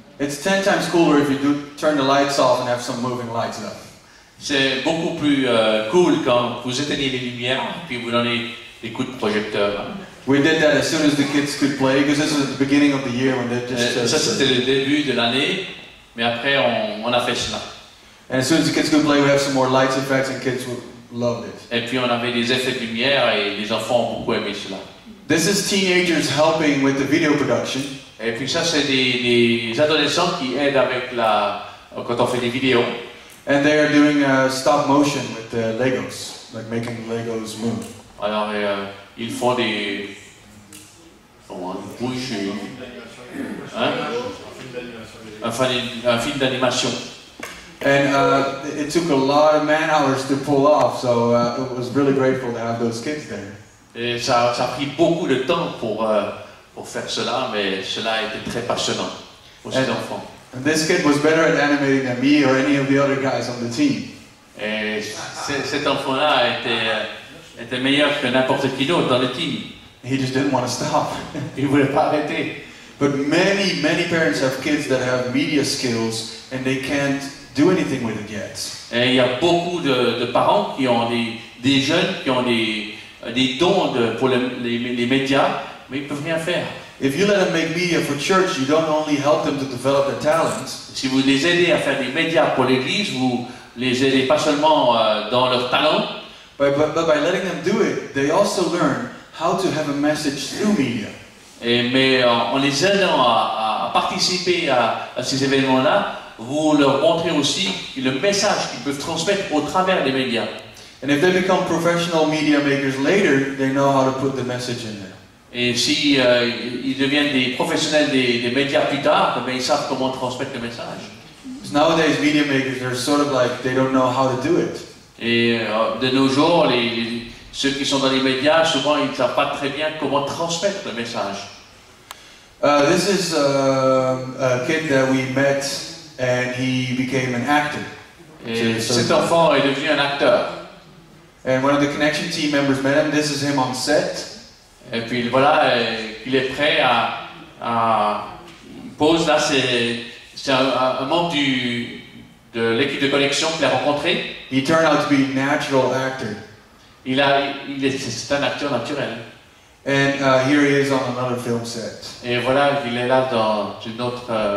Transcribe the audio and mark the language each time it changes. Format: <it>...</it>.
<en>sometimes cooler if you do turn the lights off and have some moving lights up.</en> <fr>C'est beaucoup plus cool quand vous éteignez les lumières puis vous donnez des coups de projecteur.</fr> <en>We did that as soon as the kids could play because this was at the beginning of the year when they just.</en> <fr>Ça c'était le début de l'année, mais après on a fait cela.</fr> <en>And as soon as the kids could play, we have some more lights effects and kids would. Loved it.</en> <fr>Et puis on avait des effets de lumière et les enfants ont beaucoup aimé cela.</fr> <en>This is teenagers helping with the video production.</en> <fr>Et puis ça c'est des adolescents qui aident avec la quand on fait des vidéos.</fr> <en>And they are doing a stop motion with the Legos, like making Legos move.</en> <fr>Alors ils font un film d'animation.</fr> <en>And it took a lot of man hours to pull off, so it was really grateful to have those kids there.</en> <fr>Et ça a pris beaucoup de temps pour faire cela, mais cela a été très passionnant pour ces enfants.</fr> <en>And this kid was better at animating than me or any of the other guys on the team.</en> <fr>Et cet enfant-là était meilleur que n'importe qui d'autre dans le team.</fr> <en>He just didn't want to stop.</en> <fr>Il voulait pas arrêter.</fr> <en>But many, many parents have kids that have media skills and they can't do anything with it yet.</en> <fr>Et il y a beaucoup de parents qui ont des jeunes qui ont des dons pour les médias, mais ils peuvent rien faire.</fr> <en>If you let them make media for church, you don't only help them to develop their talents.</en> <fr>Si vous les aidez à faire des médias pour l'église, vous les aidez pas seulement dans leur talent.</fr> <en>But by letting them do it, they also learn how to have a message through media.</en> <fr>Mais en les aidant à participer à ces événements-là, vous leur montrez aussi le message qu'ils peuvent transmettre au travers des médias.</fr> <en>And if they become professional media makers later, they know how to put the message in there.</en> <fr>Et si ils deviennent des professionnels des médias plus tard, ben ils savent comment transmettre le message.</fr> <en>Because nowadays media makers are sort of like they don't know how to do it.</en> <fr>Et de nos jours, ceux qui sont dans les médias, souvent ils ne savent pas très bien comment transmettre le message.</fr> <en>This is a kid that we met. And he became an actor.</en> <fr>Cet enfant est devenu un acteur.</fr> <en>And one of the connection team members met him. This is him on set.</en> <fr>Et puis voilà, il est prêt à pose là. C'est un membre de l'équipe de connexion qu'il a rencontré.</fr> <en>He turned out to be a natural actor.</en> <fr>C'est un acteur naturel.</fr> <en>And here he is on another film set.</en> <fr>Et voilà, il est là dans une autre.</fr>